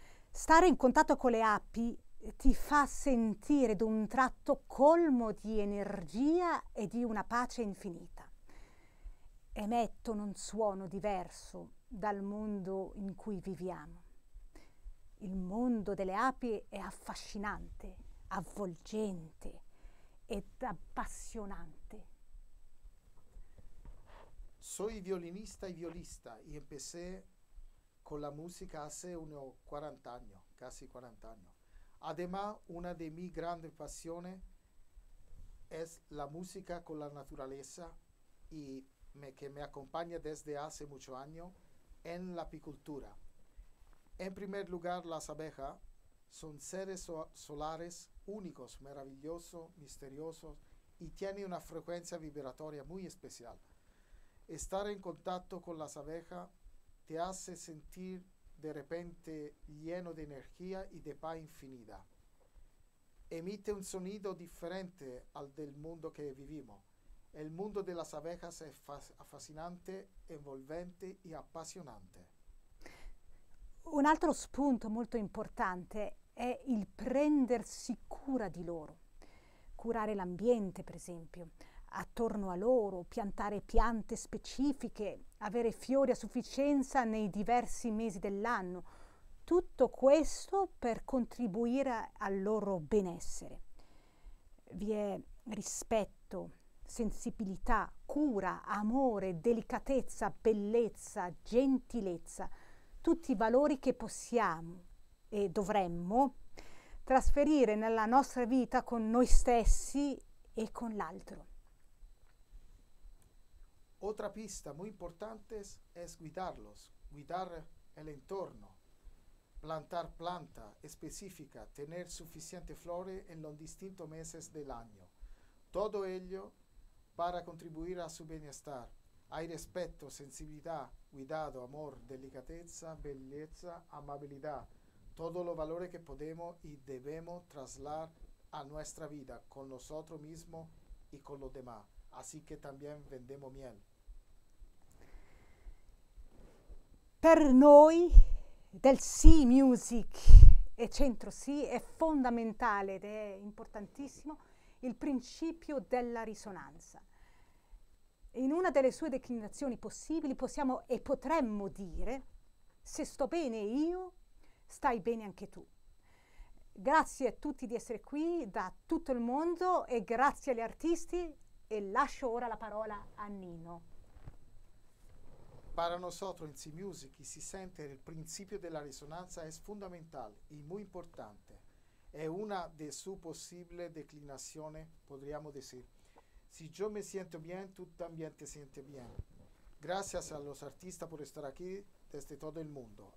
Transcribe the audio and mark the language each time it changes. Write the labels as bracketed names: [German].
[Italian] Stare in contatto con le api ti fa sentire d'un tratto colmo di energia e di una pace infinita. emettono un suono diverso dal mondo in cui viviamo. Il mondo delle api è affascinante, avvolgente ed appassionante. [Spanish] Soy violinista e violista e empecé con la musica hace unos 40 años, casi 40 años. Además, una de mis grandes pasiones es la música con la naturaleza y que me acompaña desde hace muchos años en la apicultura. En primer lugar, las abejas son seres solares únicos, maravillosos, misteriosos y tienen una frecuencia vibratoria muy especial. Estar en contacto con las abejas te hace sentir de repente lleno de energía y de paz infinita. Emite un sonido diferente al del mundo que vivimos. El mundo de las abejas es fascinante, envolvente y apasionante. [Italian] Un altro spunto molto importante è il prendersi cura di loro. Curare l'ambiente, per esempio, attorno a loro, piantare piante specifiche, avere fiori a sufficienza nei diversi mesi dell'anno. Tutto questo per contribuire al loro benessere. Vi è rispetto, sensibilità, cura, amore, delicatezza, bellezza, gentilezza. Tutti i valori che possiamo e dovremmo trasferire nella nostra vita con noi stessi e con l'altro. [Spanish] Otra pista muy importante es guidarlos, guidar el entorno, plantar planta específica, tener suficiente flores en los distintos meses del año. Todo ello para contribuir a su bienestar. Hay respeto, sensibilidad, cuidado, amor, delicadeza, belleza, amabilidad. Todos los valores que podemos y debemos trasladar a nuestra vida con nosotros mismos y con los demás. Así que también vendemos miel. [Italian] Per noi del Sea Music e Centro Sea è fondamentale ed è importantissimo il principio della risonanza. In una delle sue declinazioni possibili possiamo e potremmo dire: se sto bene io, stai bene anche tu. Grazie a tutti di essere qui da tutto il mondo e grazie agli artisti, e lascio ora la parola a Nino. [Spanish] Para nosotros en Sea Music, si siente el principio de la resonancia es fundamental y muy importante. Es una de sus posibles declinaciones, podríamos decir. Si yo me siento bien, tú también te sientes bien. Gracias a los artistas por estar aquí desde todo el mundo.